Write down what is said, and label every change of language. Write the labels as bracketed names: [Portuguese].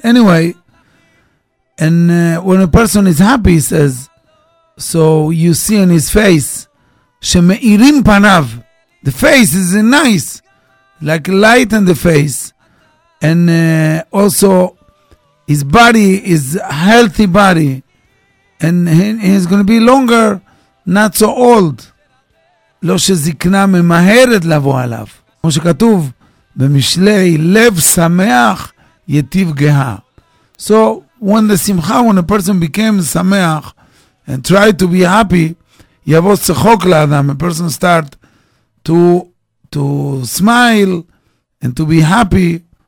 [English] Anyway, and when a person is happy, he says, so you see in his face, [Hebrew] שמאירים פניו, [English] the face is nice, like light in the face, and also his body is healthy body, and he's going to be longer, not so old. [Hebrew] לא שזקנה ממהרת לבוא עליו, כמו שכתוב במשלי, לב שמח יטיב גאה. [English] So when the simcha, when a person became שמח and tried to be happy, [Hebrew] יבוא שחוק לאדם, [English] a person start to smile and to be happy.